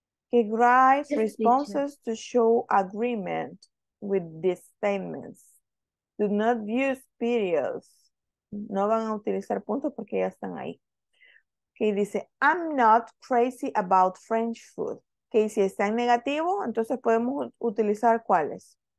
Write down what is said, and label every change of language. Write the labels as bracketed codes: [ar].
[en] He writes responses to show agreement with these statements. Do not use periods. [es] No van a utilizar puntos porque ya están ahí. [en] Okay, dice, I'm not crazy about French food. [es] Que si está en negativo, entonces podemos utilizar cuáles.